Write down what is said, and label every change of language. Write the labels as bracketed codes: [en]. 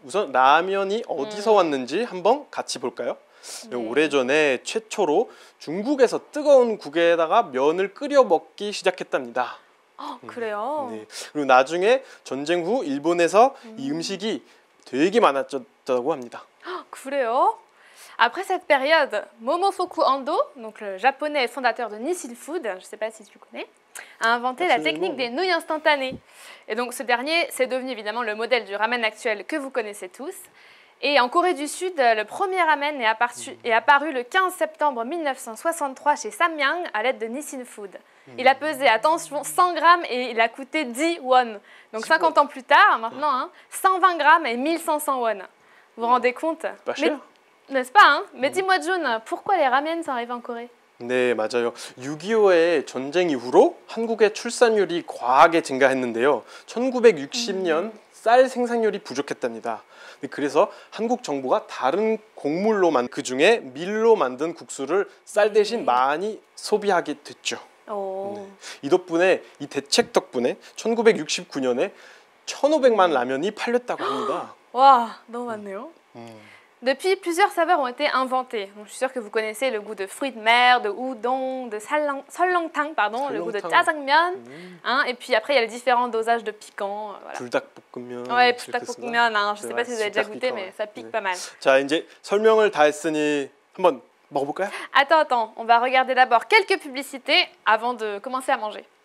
[ko] 우선 라면이 어디서 왔는지 한번 같이 볼까요? 네. 오래전에 최초로 중국에서 뜨거운 국에다가 면을 끓여 먹기 시작했답니다. 아, 그래요? 네. 그리고 나중에 전쟁 후 일본에서 이 음식이 되게 많았다고 합니다. 그래요? [fr] Après cette période, Momofuku Ando, donc le japonais fondateur de Nissin Food, je sais pas si tu connais, a inventé la technique des nouilles instantanées. Et donc ce dernier, c'est devenu évidemment le modèle du ramen actuel que vous connaissez tous. Et en Corée du Sud, le premier ramen est apparu le 15 septembre 1963 chez Samyang à l'aide de Nissin Food. Il a pesé, attention, 100 grammes et il a coûté 10 won. Donc 50 ans plus tard, maintenant, hein, 120 grammes et 1500 won. Vous vous rendez compte? Pas cher. N'est-ce pas, hein? Mais dis-moi, Jun, pourquoi les ramen sont arrivés en Corée? [ko] 네, 맞아요. 6.25의 전쟁 이후로 한국의 출산율이 과하게 증가했는데요. 1960년 쌀 생산율이 부족했답니다. 그래서 한국 정부가 다른 곡물로 만든 그중에 밀로 만든 국수를 쌀 대신 많이 소비하게 됐죠. 네. 이 덕분에 이 대책 덕분에 1969년에 1500만 라면이 팔렸다고 합니다. 와, 너무 많네요. [fr] Depuis, plusieurs saveurs ont été inventées. Donc, je suis sûre que vous connaissez le goût de fruits de mer, de udon, de seollangtang, pardon, le goût de jjajangmyeon. Hein, et puis après, il y a les différents dosages de piquant. Voilà. [ko] 불닭볶음면. [fr] Ouais, 불닭볶음면. Hein, je ne sais pas si vous avez déjà goûté, mais ça pique pas mal. [ko] 자, 이제 설명을 다 했으니 한번 먹어볼까요? [fr] Attends, on va regarder d'abord quelques publicités avant de commencer à manger.